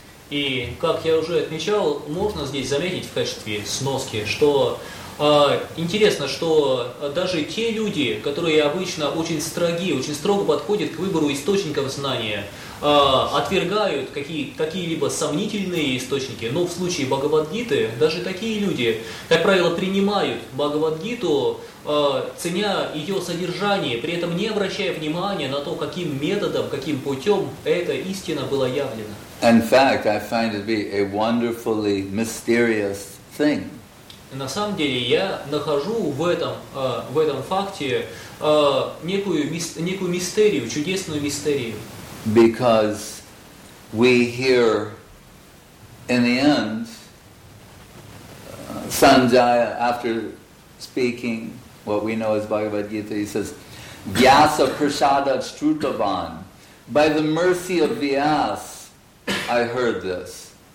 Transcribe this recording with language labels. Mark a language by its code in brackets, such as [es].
[ru] И как я уже отмечал, можно здесь заметить в качестве сноски, что интересно, что даже те люди, которые обычно очень строги, очень строго подходят к выбору источников знания, отвергают какие-либо сомнительные источники, но в случае Бхагавад-гиты даже такие люди, как правило, принимают Бхагавад-гиту, ценя ее содержание, при этом не обращая внимания на то, каким методом, каким путем эта истина была явлена. [en] In fact, I find it to be a wonderfully mysterious thing. [ru] На самом деле я нахожу в этом факте некую мистерию, чудесную мистерию. [en] Because we hear in the end Sanjaya after speaking what we know as Bhagavad Gita, he says, [sa] Vyasa Prasada Shrutavan, [en] by the mercy of Vyas, I heard this.